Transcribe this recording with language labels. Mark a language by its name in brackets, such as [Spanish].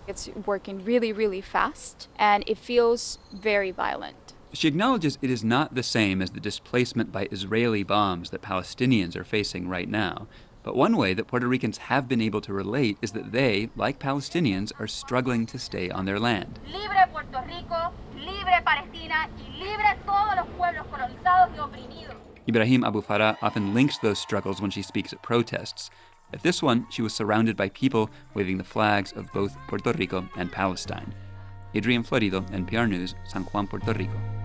[English] It's working really, really fast, and it feels very violent. She acknowledges it is not the same as the displacement by Israeli bombs that Palestinians are facing right now. But one way that Puerto Ricans have been able to relate is that they, like Palestinians, are struggling to stay on their land. [Spanish] Libre Puerto Rico, libre Palestina, y libre todos los pueblos colonizados y oprimidos. [English] Ibrahim Abufara often links those struggles when she speaks at protests. At this one, she was surrounded by people waving the flags of both Puerto Rico and Palestine. Adrian Florido, NPR News, San Juan, Puerto Rico.